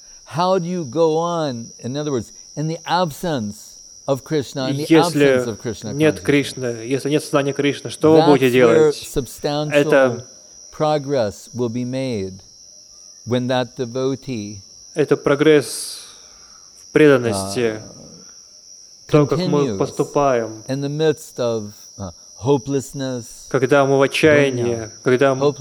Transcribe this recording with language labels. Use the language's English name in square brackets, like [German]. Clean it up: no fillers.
[English] How do you go on, in other words, in the absence of Krishna, in the absence of Krishna consciousness? [Russian] Если нет сознания Кришны, что вы будете делать? [English] That's where substantial progress will be made when that devotee. [Russian] Это прогресс в преданности, то, как мы поступаем. [English] In the midst of hopelessness, [Russian] когда мы в отчаянии, когда мы,